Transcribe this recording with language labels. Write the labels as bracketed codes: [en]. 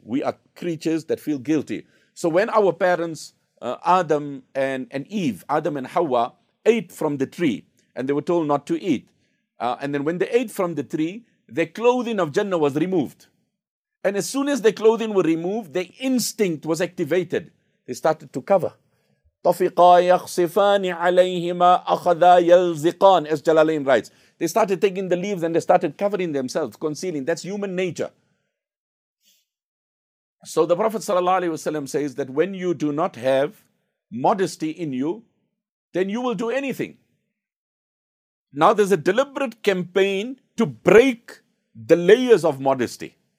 [en] We are creatures that feel guilty. So when our parents, Adam and Hawa, ate from the tree, and they were told not to eat. And then when they ate from the tree, their clothing of Jannah was removed. And as soon as their clothing were removed, their instinct was activated. They started to cover. [ar] طَفِقَا يَخْصِفَانِ عَلَيْهِمَا أَخَذَا يَلْزِقَانِ, [en] as Jalalain writes. They started taking the leaves and they started covering themselves, concealing. That's human nature. So the Prophet ﷺ says that when you do not have modesty in you, then you will do anything. Now there's a deliberate campaign to break the layers of modesty.